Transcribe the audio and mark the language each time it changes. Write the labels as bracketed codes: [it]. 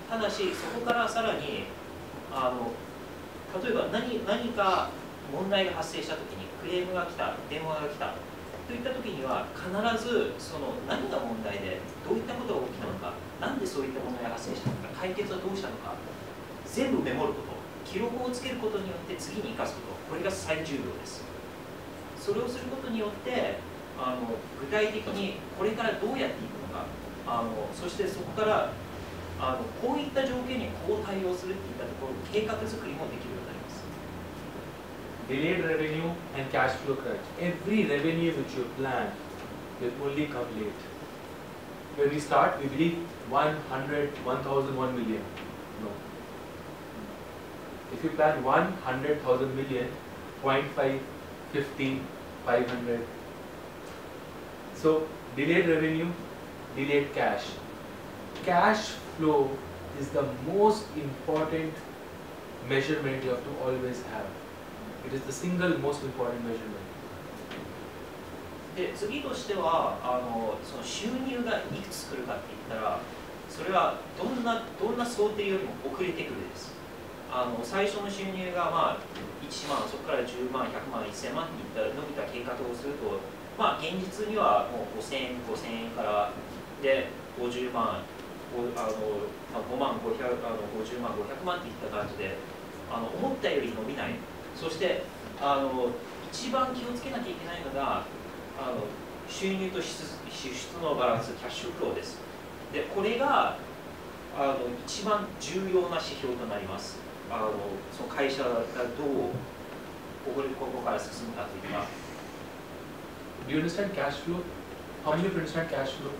[ja] ただし、そこからさらに、例えば 何か問題が発生したときに、クレームが来た、電話が来たといったときには、必ずその何が問題で、どういったことが起きたのか、なんでそういった問題が発生したのか、解決はどうしたのか、全部メモること、記録をつけることによって次に生かすこと、これが最重要です。それをすることによって、具体的にこれからどうやっていくのか、そしてそこから、こういった条件にこう対応するといったところ、計画作りもできるようになります。 [en] Delayed revenue and cash flow crunch. Every revenue which you plan will only come late. When we start, we believe 100, 1000, 1 million. No. If you plan 100,000 million, 0.5, 15, 500. So, delayed revenue, delayed cash. Cash flow is the most important measurement you have to always have. It is the single most important measurement. [ja] で、次としては、その収入がいくつ来るかって言ったら、それはどんな想定よりも遅れてくるです。最初の収入がまあ1万、そこから10万、100万、1000万に伸びた計画をすると、まあ現実にはもう5000円からで50万、5万、500、50万、500万っていった感じで、思ったより伸びない。そして、一番気をつけなきゃいけないのが、収入と支出のバランス、キャッシュフローです。で、これが一番重要な指標となります。その会社がどうここから進むかというか。 [en] Do you understand cash flow? How many of you understand cash flow?